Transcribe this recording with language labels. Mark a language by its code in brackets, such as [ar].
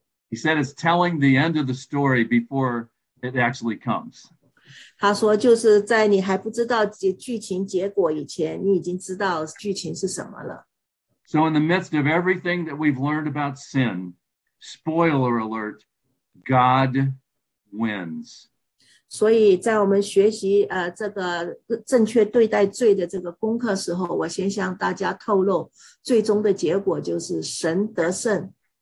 [en] He said it's telling the end of the story before it actually comes. [zh] 他说就是在你还不知道剧情结果以前你已经知道剧情是什么了。 [en] So in the midst of everything that we've learned about sin, spoiler alert, God wins. [zh] 所以在我们学习这个正确对待罪的这个功课时候，我先向大家透露，最终的结果就是神得胜。